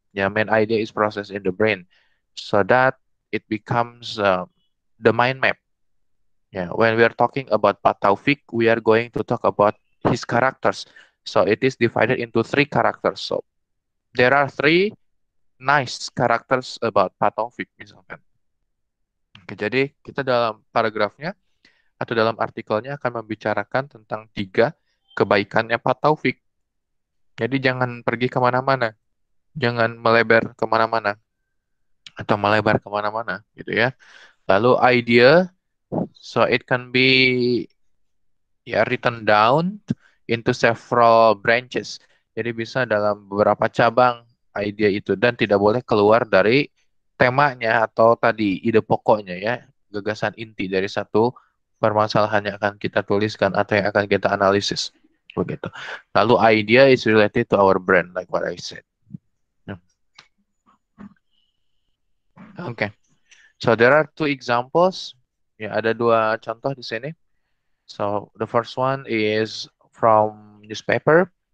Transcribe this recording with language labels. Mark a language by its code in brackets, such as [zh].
[en] Yeah, main idea is processed in the brain. So that it becomes the mind map. Yeah, when we are talking about Pak Taufik, we are going to talk about his characters. So it is divided into three characters. So there are three nice characters about Pak Taufik misalkan. [id] Oke, jadi kita dalam paragrafnya atau dalam artikelnya akan membicarakan tentang tiga kebaikannya Pak Taufik. Jadi jangan pergi kemana-mana, jangan melebar kemana-mana atau melebar kemana-mana gitu ya. [en] Lalu idea, so it can be ya written down into several branches. [id] Jadi bisa dalam beberapa cabang ide itu dan tidak boleh keluar dari temanya atau tadi ide pokoknya ya, gagasan inti dari satu permasalahan yang akan kita tuliskan atau yang akan kita analisis. Begitu. [en] Lalu idea is related to our brain like what I said. Okay. So there are two examples. [id] Ya, ada dua contoh di sini. [en] So the first one is from newspaper.